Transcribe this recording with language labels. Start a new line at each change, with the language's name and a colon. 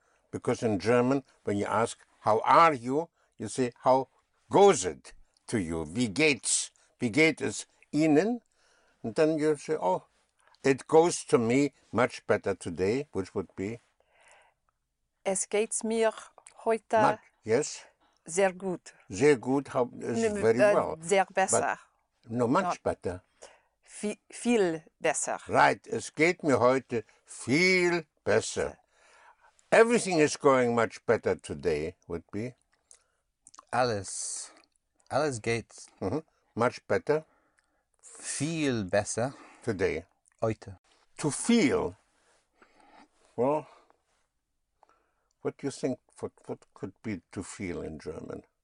English: Because in German, when you ask, how are you? You say, how goes it to you?
German: Wie geht's? Wie geht es Ihnen?
English: And then you say, oh, it goes to me much better today, which would be?
German: Es geht mir heute sehr gut. Sehr gut,
English: very well.
German: Sehr besser. But,
English: much better.
German: Viel besser. Right, es geht mir heute viel besser.
English: Everything is going much better today, would be?
German: Alles geht.
English: Mm-hmm. Much better.
German: Viel besser.
English: Today.
German: Heute.
English: To feel. Well, what do you think, what could be to feel in German?